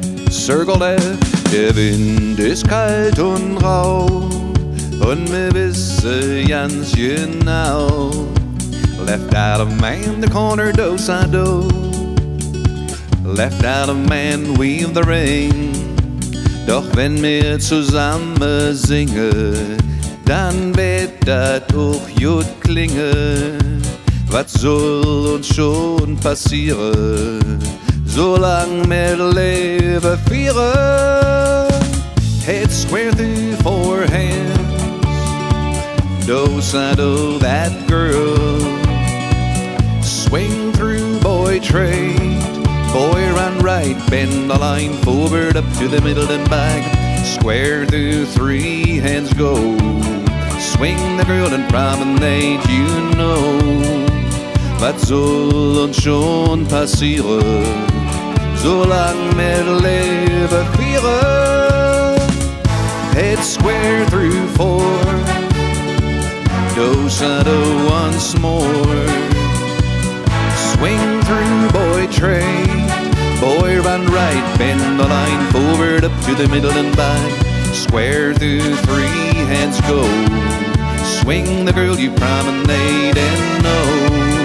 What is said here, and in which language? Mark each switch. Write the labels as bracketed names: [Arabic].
[German] zögerle, der Wind ist kalt und rau, und mir wisse ganz genau, [English] left out a man, the corner do-si-do, left out a man, weave the ring, [German] doch wenn wir zusammen singen, dann wird das auch gut klingen. Was soll uns schon passieren, solang wir leben vieren? [English] Head square through four hands, do-si-do that girl, swing through boy trade, boy run right, bend the line forward up to the middle and back, square through three hands go, swing the girl and promenade, you know. [German] Was soll uns schon passieren, solang wir leben vieren? [English] Head square through four, do-si-do once more, swing through boy train, boy run right, bend the line forward up to the middle and back, square through three hands go, swing the girl you promenade and know.